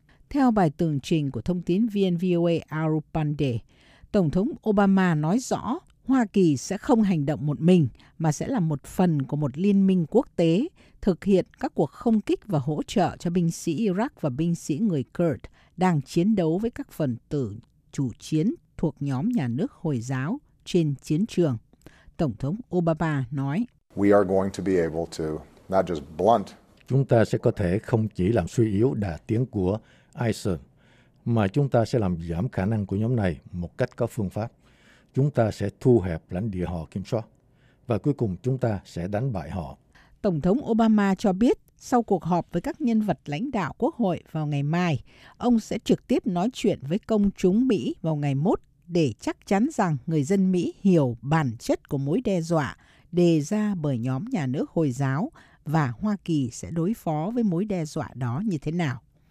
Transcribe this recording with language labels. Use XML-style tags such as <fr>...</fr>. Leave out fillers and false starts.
<vi>Theo bài tường trình của thông tín viên VOA Arup Pandey, Tổng thống Obama nói rõ Hoa Kỳ sẽ không hành động một mình mà sẽ là một phần của một liên minh quốc tế thực hiện các cuộc không kích và hỗ trợ cho binh sĩ Iraq và binh sĩ người Kurd đang chiến đấu với các phần tử chủ chiến thuộc nhóm nhà nước Hồi giáo trên chiến trường. Tổng thống Obama nói:</vi> <en>"We are going to be able to not just blunt.</en> <vi>Chúng ta sẽ có thể không chỉ làm suy yếu đà tiến của ISIL, mà chúng ta sẽ làm giảm khả năng của nhóm này một cách có phương pháp. Chúng ta sẽ thu hẹp lãnh địa họ kiểm soát, và cuối cùng chúng ta sẽ đánh bại họ." Tổng thống Obama cho biết, sau cuộc họp với các nhân vật lãnh đạo quốc hội vào ngày mai, ông sẽ trực tiếp nói chuyện với công chúng Mỹ vào ngày mốt để chắc chắn rằng người dân Mỹ hiểu bản chất của mối đe dọa đề ra bởi nhóm nhà nước Hồi giáo và Hoa Kỳ sẽ đối phó với mối đe dọa đó như thế nào.</vi>